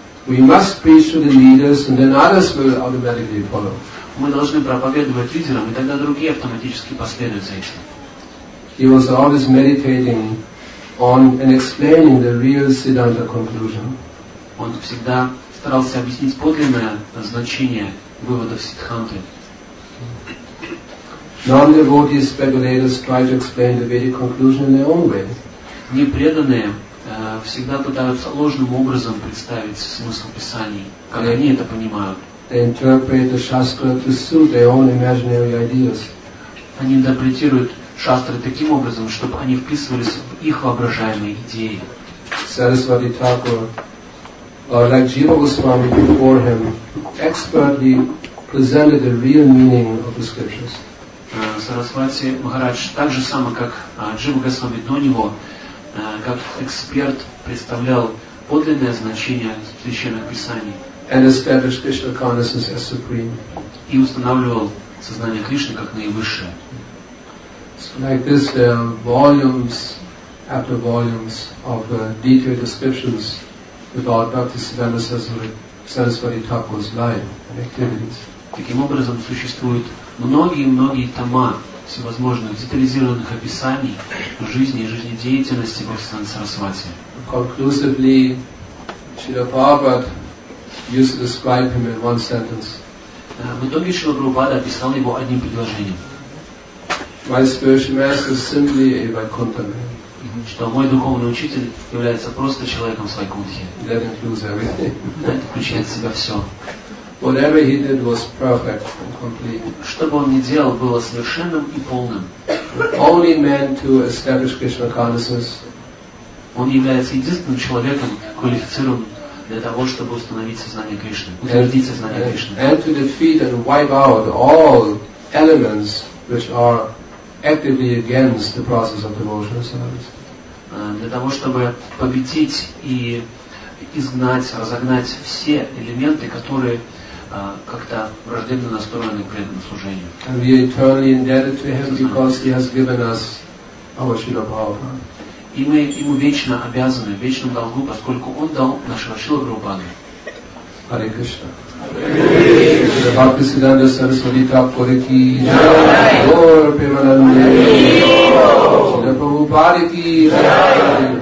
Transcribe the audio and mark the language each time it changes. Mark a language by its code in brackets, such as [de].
[en] We must preach to the leaders, and then others will automatically follow. [ru] Мы должны проповедовать лидерам, и тогда другие автоматически последуют за этим. [en] He was always meditating on and explaining the real Siddhanta conclusion. [ru] Он всегда старался объяснить подлинное значение выводов Сиддханты. [en] Non-devotee speculators try to explain the Vedic conclusion in their own way. [ru] Непреданные всегда пытаются ложным образом представить смысл Писаний, как они это понимают. [en] They interpret the Shastra to suit their own imaginary ideas. [ru] Они интерпретируют Шастры таким образом, чтобы они вписывались в их воображаемые идеи. [en] Sarasvati Thakur, like Jiva Goswami before him, expertly presented the real meaning of the scriptures. [ru] Sarasvati Maharaj, так же само, как Jiva Goswami до него, как эксперт, представлял подлинное значение священных писаний. [en] And established Krishna consciousness as supreme. [ru] И устанавливал сознание Кришны как наивысшее. [en] Like this, there are volumes after volumes of detailed descriptions about Bhaktisiddhanta Sarasvati Thakur's life and activities. [ru] Таким образом, существуют многие-многие тома всевозможных детализированных описаний жизни и жизнедеятельности Бхактисиддханты Сарасвати. [en] Conclusively, Srila Prabhupada used to describe him in one sentence. [ru] В итоге Шрила Прабхупада описал его одним предложением. [en] My spiritual master is simply a Vaikuntha man. [ru] Что мой духовный учитель является просто человеком с Вайкунтхи. [en] That includes everything. [ru] Это включает в себя все. [en] Whatever he did was perfect and complete. [ru] Что бы он ни делал, было совершенным и полным. [en] Only man to establish Krishna consciousness. [ru] Он является единственным человеком, квалифицированным для того, чтобы установить сознание Кришны, утвердить сознание Кришны. [en] And to defeat and wipe out all elements which are actively against the process of devotional service. [ru] Для того, чтобы победить и изгнать, разогнать все элементы, которые как-то враждебно настроены к преданному служению. [en] And we are eternally indebted to him because he has given us our Śrīla Prabhupāda. [ru] И мы ему вечно обязаны, в вечном долгу, поскольку он дал нашего Шрилу Прабхупаду. Харе Кришна. Бхактисиддханта Сарасвати Тхакур ки джай. Гаур Премананде ки джай. Шрила Прабхупада ки джай.